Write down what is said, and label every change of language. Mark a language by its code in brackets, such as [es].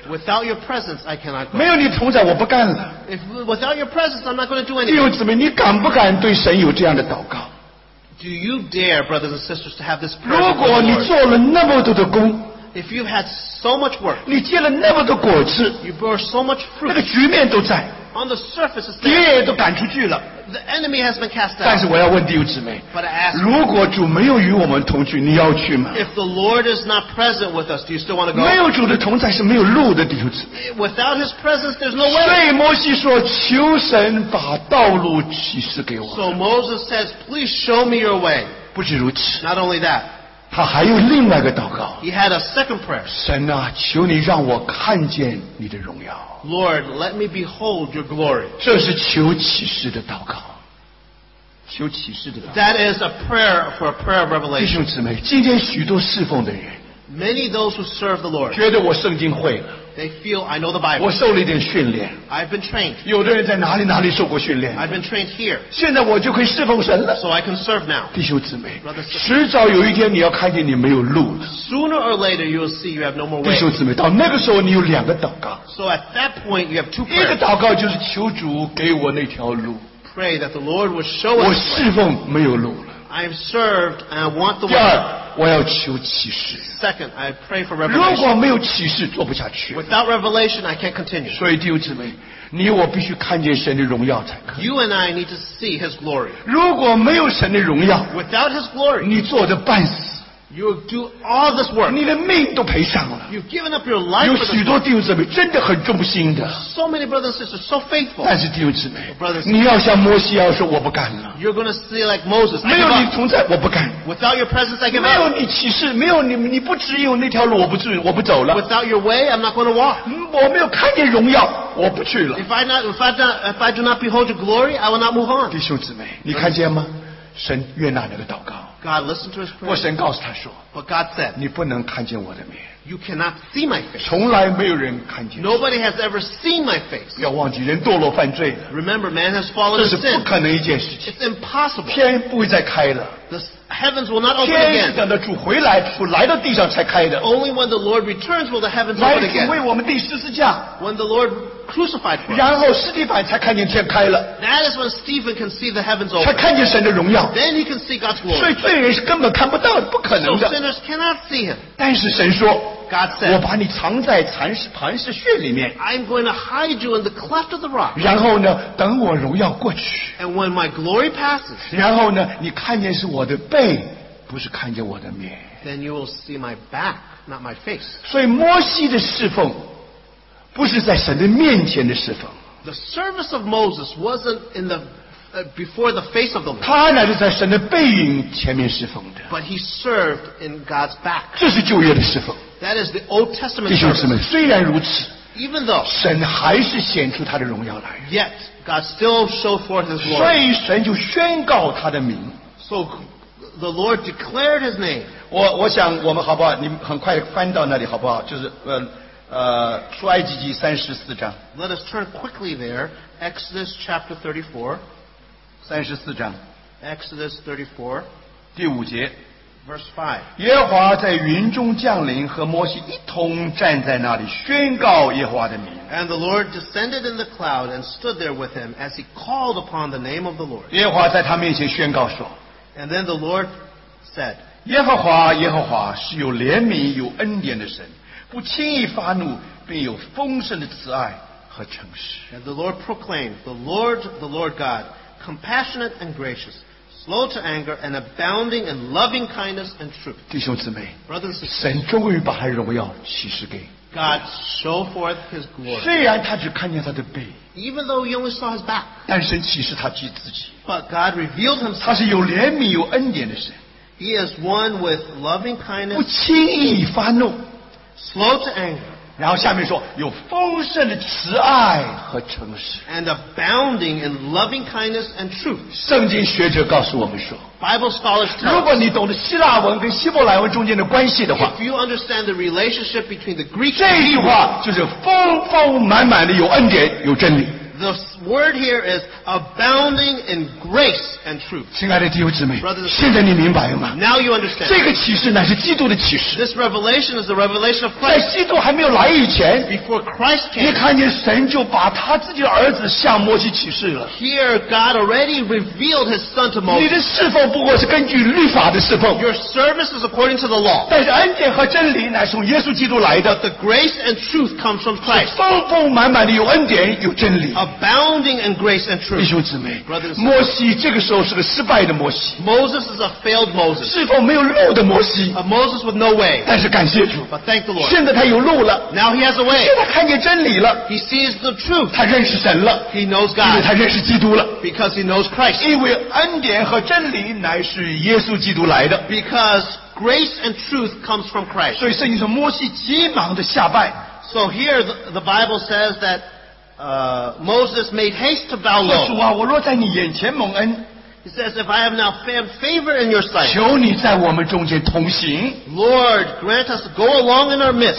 [en] Without your presence, I cannot go. [zh] 没有你同在，我不干了。 [en] If without your presence, I'm not going to do anything. [zh] 弟兄姊妹，你敢不敢对神有这样的祷告？ [en] Do you dare, brothers and sisters, to have this prayer? [zh] 如果你做了那么多的工， [en] if you had so much work, [zh] 你结了那么多果子， [en] you bore so much fruit, [zh] 那个局面都在。 [en] On the surface, [zh] 敌人都赶出去了。 [en] The enemy has been cast out. [zh] 但是我要问弟兄姊妹， [en] but I ask, [zh] 如果主没有与我们同去，你要去吗？ [en] If the Lord is not present with us, do you still want to go? [zh] 没有主的同在是没有路的，弟兄姊妹。 [en] Without His presence, there's no way. [zh] 所以摩西说，求神把道路启示给我。 [en] So Moses says, please show me your way. [zh] 不止如此。 [en] Not only that. [zh] 他还有另外一个祷告。 [en] He had a second prayer. [zh] 神啊，求你让我看见你的荣耀。 [en] Lord, let me behold your glory. [zh] 这是求启示的祷告。求启示的祷告。 [en] That is a prayer for a prayer of revelation. [zh] 弟兄姊妹，今天许多侍奉的人， [en] many those who serve the Lord, [zh] 觉得我圣经会了。 [en] They feel I know the Bible. [zh] 我受了一点训练。 [en] I've been trained. [zh] 有的人在哪里哪里受过训练。 [en] I've been trained here. [zh] 现在我就可以侍奉神了。 [en] So I can serve now. [zh] 弟兄姊妹，迟早有一天你要看见你没有路了。 [en] Sooner or later you will see you have no more way. [zh] 弟兄姊妹，到那个时候你有两个祷告。 [en] So at that point you have two prayers. [zh] 一个祷告就是求主给我那条路。 [en] Pray that the Lord will show us. [zh] 我侍奉没有路了。 [en] I've served and I want the way. [zh] 第二，我要求启示。 [en] Second, I pray for revelation. [zh] 如果没有启示，做不下去。 [en] Without revelation, I can't continue. [zh] 所以弟兄姊妹，你我必须看见神的荣耀才可以。 [en] You and I need to see His glory. [zh] 如果没有神的荣耀， [en] without His glory, [zh] 你做的半死。 [en] You do all this work. [zh] 你的命都赔上了。 [en] You've given up your life. [zh] 有许多弟兄姊妹真的很忠心的。 [en] So many brothers and sisters, so faithful. [zh] 但是弟兄姊妹， [en] brothers, [zh] 你要像摩西要说我不干了。 [en] You're going to say like Moses. [zh] 没有你同在，我不干。 [en] Without your presence, I give up. [zh] 没有你启示，没有你，你不指引我那条路，我不走了。 [en] Without your way, I'm not going to walk. [zh] 我没有看见荣耀，我不去了。 [en] If I do not behold your glory, I will not move on. [zh] 弟兄姊妹，你看见吗？神悦纳那个祷告。 [en] God listened to his prayer. [zh] 我神告诉他说， [en] But God said, [zh] 你不能看见我的面。 [en] You cannot see my face. [zh] 从来没有人看见。 [en] Nobody has ever seen my face. [zh] 要忘记人堕落犯罪了。 [en] Remember, man has fallen into sin. [zh] 这是不可能一件事情。 [en] It's impossible. [zh] 天不会再开了。 [en] The heavens will not open again. [zh] 天等到主回来，主来到地上才开的。 [en] Only when the Lord returns will the heavens open again. [zh] 来主为我们钉十字架。 [en] When the Lord crucified for us. [zh] 然后斯蒂凡才看见天开了。 [en] That is when Stephen can see the heavens open. [zh] 才看见神的荣耀。 [en] Then he can see God's glory. [zh] 所以罪人是根本看不到的，不可能的。 [en] So sinners cannot see him. [zh] 但是神说， [en] God said, [zh] 我把你藏在磐石穴里面。 [en] I'm going to hide you in the cleft of the rock. [zh] 然后呢，等我荣耀过去。 [en] And when my glory passes. [zh] 然后呢，你看见是我的背，不是看见我的面。 [en] Then you will see my back, not my face. [zh] 所以摩西的侍奉不是在神的面前的侍奉。 [en] The service of Moses wasn't in the before the face of the Lord. [zh] 他乃是在神的背影前面侍奉的。 [en] But he served in God's back. [zh] 这是旧约的侍奉。 [en] That is the Old Testament. [zh] 弟兄姊妹，虽然如此， [en] even though [zh] 神还是显出他的荣耀来。 [en] Yet God still showed forth His glory. [zh] 所以神就宣告他的名。 [en] So the Lord declared His name. [zh] 我想我们好不好？你很快翻到那里好不好？就是出埃及记三十四章。 [en] Let us turn quickly there. Exodus chapter 34. [zh] 三十四章。 [en] Exodus 34. [zh] 第五节。 [en] Verse 5. [zh] 耶和华在云中降临，和摩西一同站在那里，宣告耶和华的名。 [en] And the Lord descended in the cloud and stood there with him as he called upon the name of the Lord. [zh] 耶和华在他面前宣告说。 [en] And then the Lord said, [zh] 耶和华，耶和华是有怜悯有恩典的神。不轻易发怒，并有丰盛的慈爱和诚实。 [en] And the Lord proclaimed, the Lord God, compassionate and gracious, slow to anger, and abounding in loving kindness and truth. [zh] 弟兄姊妹， [en] brothers and sisters, [zh] 神终于把他的荣耀启示给。 [en] God show forth His glory. [zh] 虽然他只看见他的背。 [en] Even though he only saw his back. [zh] 但神启示他自己。 [en] But God revealed Himself. [zh] 他是有怜悯有恩典的神。 [en] He is one with loving kindness. [zh] 不轻易发怒。 [en] Slow to anger. [zh] 然后下面说，有丰盛的慈爱和诚实。 [en] And abounding in loving kindness and truth. [zh] 圣经学者告诉我们说， [en] Bible scholars tell us, [zh] 如果你懂得希腊文跟希伯来文中间的关系的话， [en] If you understand the relationship between the Greek and Hebrew, [zh] 这句话就是丰丰满满的有恩典有真理。 [en] The word here is abounding in grace and truth. [zh] 亲爱的弟兄姊妹, 现在你明白吗? [en] Now you understand. [zh] 这个启示乃是基督的启示。 [en] This revelation is the revelation of Christ. [zh] 在基督还没有来以前, [en] before Christ came, [zh] 你看见神就把他自己的儿子向摩西启示了。 [en] Here, God already revealed his son to Moses. [zh] 你的侍奉不过是根据律法的侍奉。 [en] Your service is according to the law. [zh] 但是恩典和真理乃从耶稣基督来的。 [en] But the grace and truth comes from Christ. [zh] 丰丰满满的有恩典有真理。 [en] Abounding in grace and truth. [zh] 弟兄姊妹, 摩西这个时候是个失败的摩西, [en] Moses is a failed Moses, [zh] 是否没有路的摩西, [en] a Moses with no way, [zh] 但是感谢主, [en] but thank the Lord, [zh] 现在他有路了, [en] now he has a way, [zh] 现在看见真理了, [en] he sees the truth, [zh] 他认识神了, [en] he knows God, [zh] 因为他认识基督了, [en] because he knows Christ, [zh] 因为恩典和真理乃是耶稣基督来的, [en] because grace and truth comes from Christ. [zh] 所以圣经说摩西急忙地下拜, [en] so here the Bible says that Moses made haste to bow low. [zh] 说主啊,我若在你眼前蒙恩, [en] he says, if I have now found favor in your sight, [zh] 求你在我们中间同行, [en] Lord, grant us to go along in our midst.